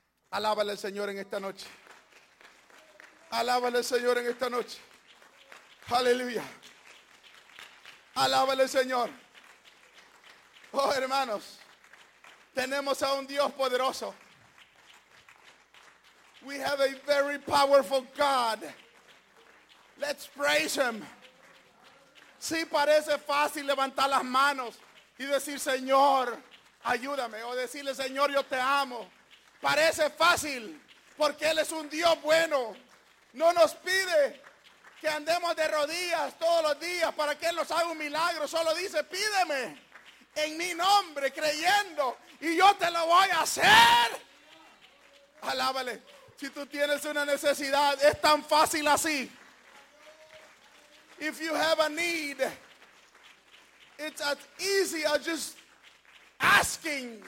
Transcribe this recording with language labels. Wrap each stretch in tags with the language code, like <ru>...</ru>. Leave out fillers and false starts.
<es>Alábale al Señor en esta noche. Alábale al Señor en esta noche. Aleluya. Alábale al Señor. Oh, hermanos, tenemos a un Dios poderoso.</es> <en>We have a very powerful God. Let's praise Him.</en> <es>Sí, parece fácil levantar las manos y decir, Señor, ayúdame. O decirle, Señor, yo te amo. Parece fácil porque Él es un Dios bueno. No nos pide que andemos de rodillas todos los días para que Él nos haga un milagro. Solo dice, pídeme en mi nombre, creyendo, y yo te lo voy a hacer. Alábale. Si tú tienes una necesidad, es tan fácil así.</es> <en>If you have a need, it's as easy as just asking.</en>